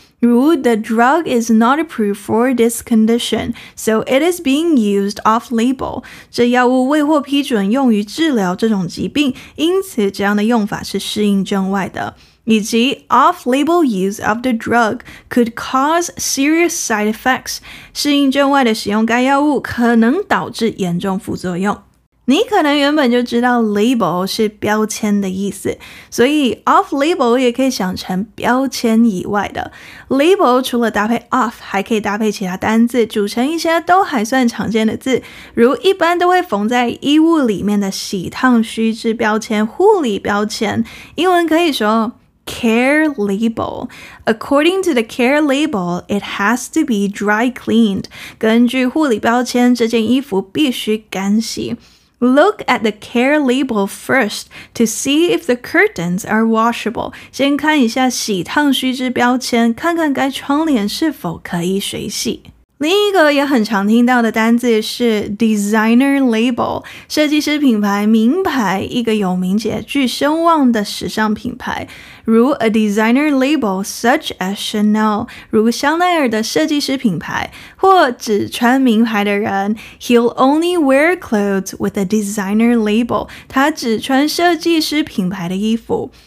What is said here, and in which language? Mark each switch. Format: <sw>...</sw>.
<zh>如</zh> <en>the drug is not approved for this condition, so it is being used off-label.</en> <zh>这药物未获批准用于治疗这种疾病，因此这样的用法是适应症外的。以及</zh> <en>off-label use of the drug could cause serious side effects.</en> <zh>适应症外的使用该药物可能导致严重副作用。你可能原本就知道 label 是标签的意思，所以 off-label 也可以想成标签以外的。 label 除了搭配 off, 还可以搭配其他单字组成一些都还算常见的字，如一般都会缝在衣物里面的洗烫须知标签、护理标签，英文可以说Care label.</zh> <en>According to the care label, it has to be dry cleaned.</en> <zh>根据护理标签，这件衣服必须干洗。</zh> <en>Look at the care label first to see if the curtains are washable.</en> <zh>先看一下洗烫须知标签，看看该窗帘是否可以水洗。另一个也很常听到的单字是 designer label, 设计师品牌名牌，一个有名且具声望的时尚品牌。如</zh> <en>a designer label such as Chanel,</en> <zh>如香奈儿的设计师品牌，或只穿名牌的人</zh> <en>he'll only wear clothes with a designer label,</en> <zh>他只穿设计师品牌的衣服。</zh>